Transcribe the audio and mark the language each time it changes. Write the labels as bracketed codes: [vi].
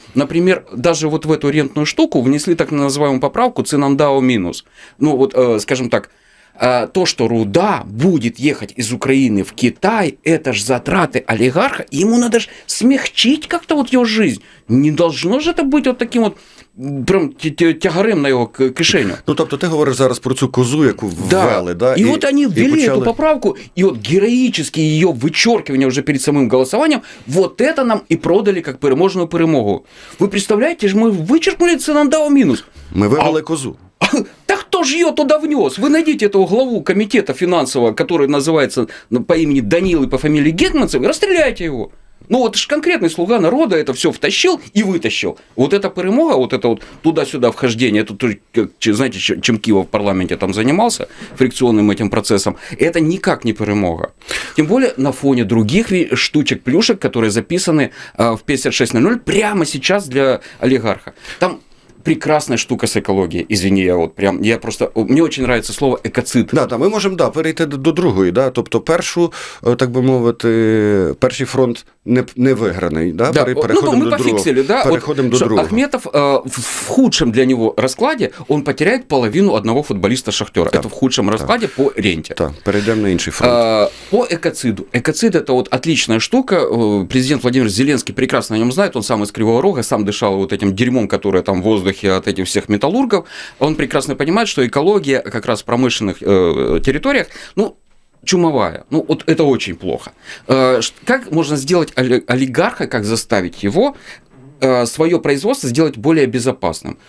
[ru] Например, даже вот в эту рентную штуку внесли так называемую поправку «Цинандао минус». Ну вот, скажем так, то, что руда будет ехать из Украины в Китай, это же затраты олигарха, ему надо же смягчить как-то вот его жизнь. Не должно же это быть вот таким вот прям тягарем [uk] на його кишеню. Ну, тобто, ти говориш зараз про цю козу, яку ввели, [ru] да? [uk] І от вони ввели цю поправку, і от героїчне її вичеркування вже перед самим голосуванням, [ru] вот это нам [uk] і продали як переможну перемогу. Ви представляєте, ж ми вичеркнули Цинандао мінус. Ми вивели козу. Так хто ж її туди внес? Ви знайдіть того главу комітету фінансового, який називається по імені Даніл і по фамілії Гетманцев, і розстріляйте його. [ru] Ну вот ж конкретный слуга народа это все втащил и вытащил. Вот эта перемога, вот это вот туда-сюда вхождение, это, знаете, чем Кива в парламенте там занимался, фрикционным этим процессом, это никак не перемога. Тем более на фоне других штучек, плюшек, которые записаны в 56.00 прямо сейчас для олигарха. Там прекрасная штука с экологией. Извини, я вот прям, я просто, мне очень нравится слово экоцид. [uk] Да, да, [ru] мы можем, да, перейти до другой, [uk] да, тобто першу, так бы мовити, перший фронт не виграний, да? Да. Переходимо, ну, до другого. Фіксили, да? Переходимо от, до другого. Ахметов в худшем для нього розкладі, він потеряє половину одного футболіста Шахтера. Це в худшому розкладі по ренті. Так, перейдемо на інший фронт. По екоциду. Екоцид – це от отличная штука. Президент Владимир Зеленський прекрасно о ньому знає. Він сам із Кривого Рога, [ru] сам дышав вот этим дерьмом, которое там в воздухе от этих всех металлургов. Он прекрасно понимает, что экология как раз в промышленных территориях, ну, чумовая. Ну, вот это очень плохо. Как можно сделать олигарха, как заставить его свое производство сделать более безопасным?